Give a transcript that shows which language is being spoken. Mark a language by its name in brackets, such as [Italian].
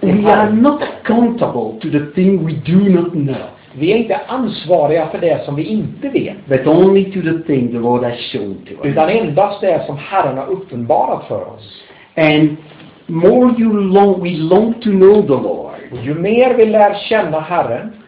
[English] We are not accountable to the thing we do not know. [Swedish] Vi är inte ansvariga för det som vi inte vet. [English] But only to the thing the Lord has shown to us. [Swedish] Utan endast det som Herren har uppenbarat för oss. [English] And more you long, we long to know the Lord. [Swedish] Och ju mer vi lär känna Herren,